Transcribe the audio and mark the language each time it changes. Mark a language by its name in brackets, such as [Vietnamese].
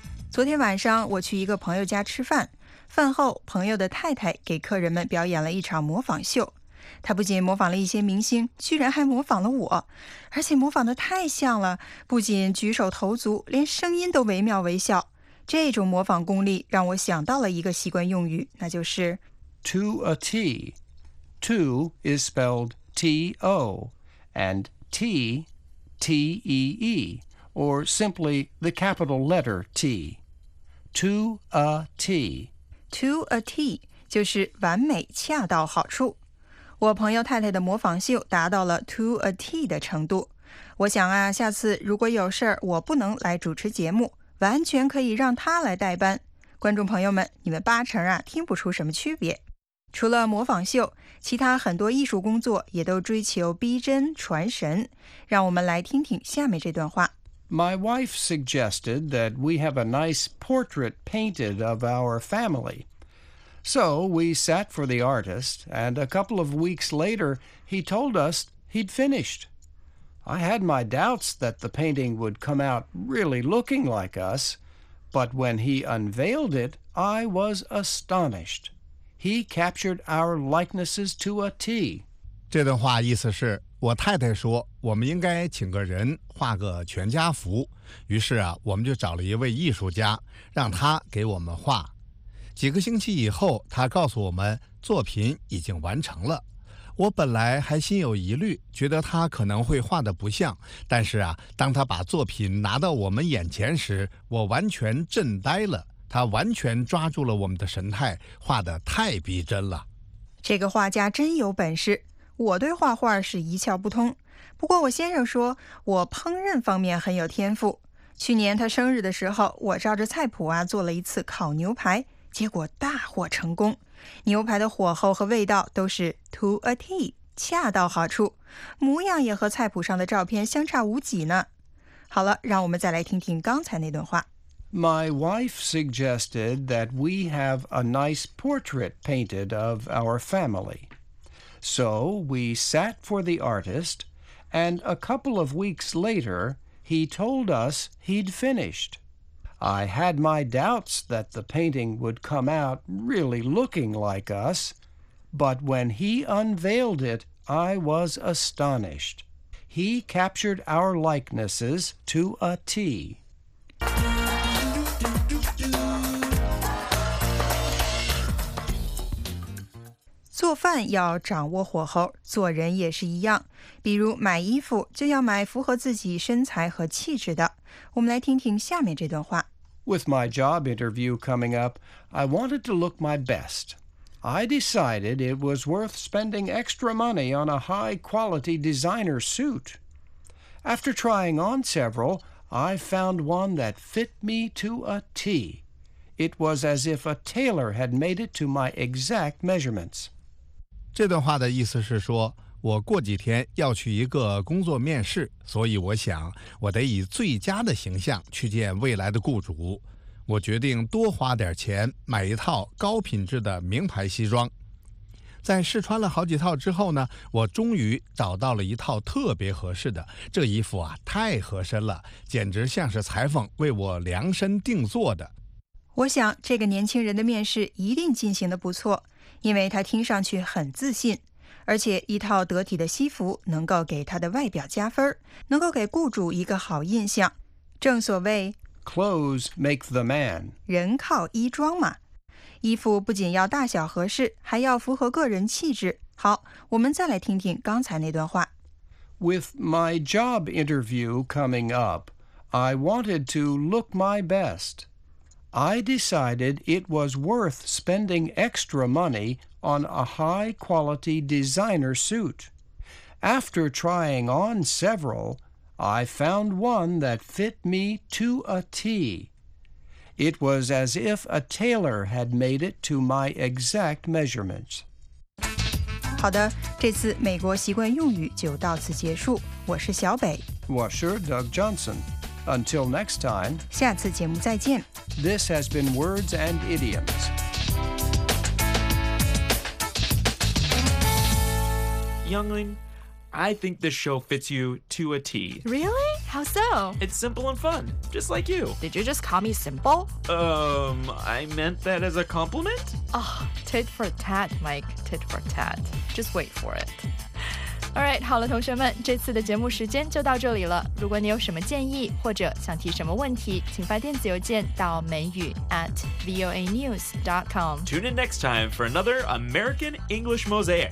[Chinese] 昨天晚上我去一个朋友家吃饭，饭后朋友的太太给客人们表演了一场模仿秀，她不仅模仿了一些明星，居然还模仿了我，而且模仿得太像了，不仅举手投足，连声音都惟妙惟肖。这种模仿功力让我想到了一个习惯用语，那就是 [English] To a T。 To is spelled T-O, and T, T-E-E, or simply the capital letter T. To a T. To a T [Chinese] 就是完美恰到好处。我朋友太太的模仿秀达到了 [English] to a T [Chinese] 的程度。我想啊，下次如果有事儿我不能来主持节目，完全可以让她来代班。观众朋友们，你们八成啊听不出什么区别。除了模仿秀，其他很多艺术工作也都追求逼真传神。让我们来听听下面这段话。 [English] My wife suggested that we have a nice portrait painted of our family. So we sat for the artist, and a couple of weeks later, he told us he'd finished. I had my doubts that the painting would come out really looking like us, but when he unveiled it, I was astonished. He captured our likenesses to a T. [Chinese] 这段话意思是，我太太说，我们应该请个人画个全家福。于是啊，我们就找了一位艺术家，让他给我们画。几个星期以后，他告诉我们作品已经完成了。我本来还心有疑虑，觉得他可能会画得不像。但是啊，当他把作品拿到我们眼前时，我完全震呆了。他完全抓住了我们的神态，画得太逼真了。这个画家真有本事，我对画画是一窍不通。不过我先生说，我烹饪方面很有天赋。去年他生日的时候，我照着菜谱啊做了一次烤牛排，结果大获成功。牛排的火候和味道都是 [English] to a T， [Chinese] 恰到好处，模样也和菜谱上的照片相差无几呢。好了，让我们再来听听刚才那段话。 [English] My wife suggested that we have a nice portrait painted of our family. So we sat for the artist, and a couple of weeks later, he told us he'd finished. I had my doubts that the painting would come out really looking like us, but when he unveiled it, I was astonished. He captured our likenesses to a T. [Chinese] 做饭要掌握火候，做人也是一样。比如买衣服就要买符合自己身材和气质的。我们来听听下面这段话。 [English] With my job interview coming up, I wanted to look my best. I decided it was worth spending extra money on a high-quality designer suit. After trying on several, I found one that fit me to a T. It was as if a tailor had made it to my exact measurements. [Chinese] 这段话的意思是说，我过几天要去一个工作面试，所以我想我得以最佳的形象去见未来的雇主。我决定多花点钱买一套高品质的名牌西装。在试穿了好几套之后呢，我终于找到了一套特别合适的。这衣服啊，太合身了，简直像是裁缝为我量身定做的。我想这个年轻人的面试一定进行得不错。因为他听上去很自信，而且一套得体的西服能够给他的外表加分，能够给雇主一个好印象。正所谓 [English] Clothes make the man， [Chinese] 人靠衣装嘛。衣服不仅要大小合适，还要符合个人气质。好，我们再来听听刚才那段话。 With my job interview coming up, I wanted to look my best. I decided it was worth spending extra money on a high-quality designer suit. After trying on several, I found one that fit me to a T. It was as if a tailor had made it to my exact measurements. 好的，这次美国习惯用语就到此结束。我是小北。我是 Doug Johnson。 [English] Until next time, [Chinese] 下次节目再见。 [English] This has been Words and Idioms. Youngling, I think this show fits you to a T. Really? How so? It's simple and fun, just like you. Did you just call me simple? I meant that as a compliment? Oh, tit for tat, Mike, tit for tat. Just wait for it. All right, [Chinese] 好了，同学们，这次的节目时间就到这里了。如果你有什么建议或者想提什么问题，请发电子邮件到美语@voanews.com. [English] Tune in next time for another American English Mosaic.